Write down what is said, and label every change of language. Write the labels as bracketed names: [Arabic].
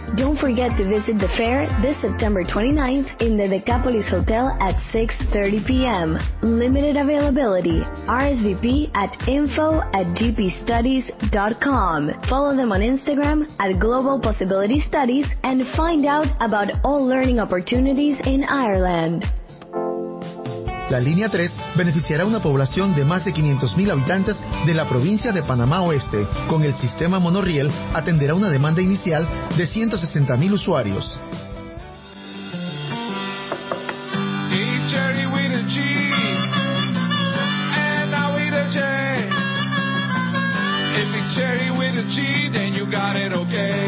[English] Don't forget to visit the fair this September 29th in the Decapolis Hotel at 6:30 p.m. Limited availability. RSVP at info@gpstudies.com. Follow them on Instagram at Global Possibility Studies and find out about all learning opportunities in Ireland. [Spanish] La Línea 3 beneficiará a una población de más de 500.000 habitantes de la provincia de Panamá Oeste. Con el sistema monorriel, atenderá una demanda inicial de 160.000 usuarios. [English] Hey, Jerry with a G, and I with a J. If it's Jerry with a G, then you got it, okay.